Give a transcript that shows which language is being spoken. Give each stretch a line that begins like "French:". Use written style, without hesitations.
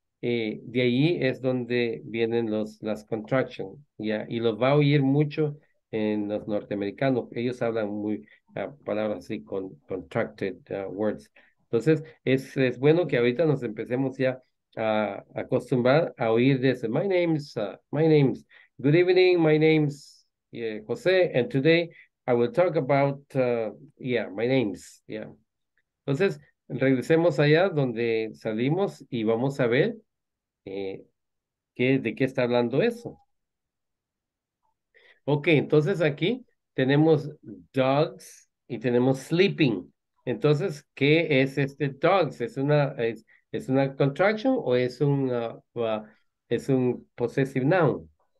Spanish: De ahí es donde vienen las contractions. ¿Ya? Y los va a oír mucho en los norteamericanos. Ellos hablan muy palabras así, contracted words. Entonces, es bueno que ahorita nos empecemos ya a acostumbrar a oír de ese.
English: My name's. Good evening. My name's José. And today I will talk about, my name's, yeah.
Spanish: Entonces, regresemos allá donde salimos y vamos a ver de qué está hablando eso. Ok, entonces aquí tenemos dogs y tenemos sleeping. Entonces, ¿qué es este dogs? ¿Es una contraction o es un possessive noun?